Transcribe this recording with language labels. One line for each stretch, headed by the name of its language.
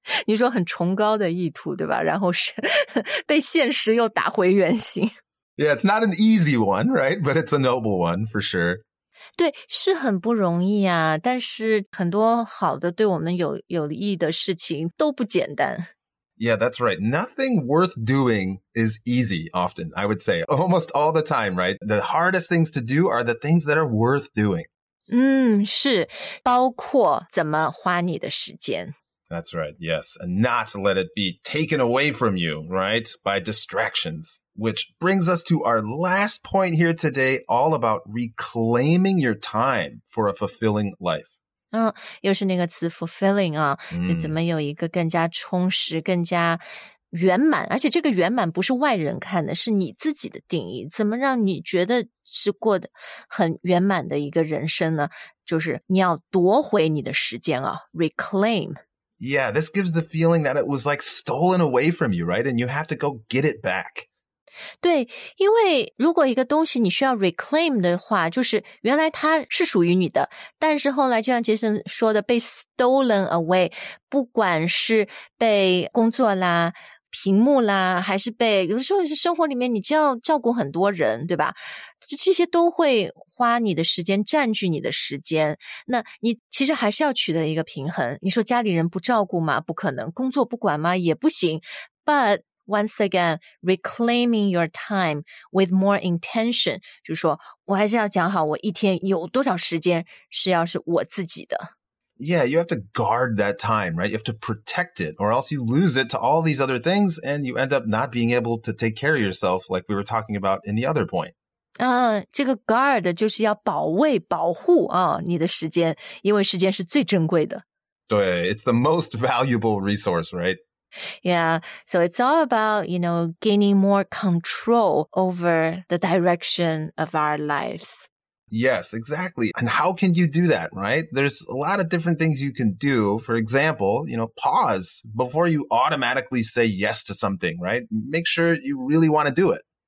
Chinese: 你说很崇高的意图对吧然后是被现实又打回原形。
English: Yeah, it's not an easy one, right? But it's a noble one, for sure. 对是很不容易啊但是很多好的对我们有意义的事情都不简单。 Yeah, that's right. Nothing worth doing is easy often, I would say. Almost all the time, right? The hardest things to do are the things that are worth doing.
Chinese: 是包括怎么花你的时间。
English: That's right, yes. And not let it be taken away from you, right? By distractions. Which brings us to our last point here today, all about reclaiming your time for a fulfilling life.
Chinese: 又是那个词 fulfilling 啊，你怎么有一个更加充实，更加圆满，而且这个圆满不是外人看的，是你自己的定义。怎么让你觉得是过得很圆满的一个人生呢？就是你要夺回你的时间啊， reclaim.
English: Yeah, this gives the feeling that it was like stolen away from you, right? And you have to go get it back.
Chinese: 对，因为如果一个东西你需要 reclaim 的话，就是原来它是属于你的，但是后来就像杰森说的，被
English: stolen away，
Chinese: 不管是被工作啦、屏幕啦，还是被有的时候是生活里面你就要照顾很多人，对吧？这些都会花你的时间，占据你的时间。那你其实还是要取得一个平衡。你说家里人不照顾吗？不可能。工作不管吗？也不行。
English: But once again, reclaiming your time with more intention,
Chinese: 就是说我还是要讲好我一天有多少时间是要是我自己的。
English: Yeah, you have to guard that time, right? You have to protect it or else you lose it to all these other things and you end up not being able to take care of yourself like we were talking about in the other point.
Chinese: 这个 guard 就是要保卫保护啊你的时间因为时间是最珍贵的。
English: 对 it's the most valuable resource, right? Yeah, so it's all about, you know, gaining more control over the direction of our lives. Yes, exactly. And how can you do that, right? There's a lot of different things you can do. For example, you know, pause before you automatically say yes to something, right? Make sure you really want to do it.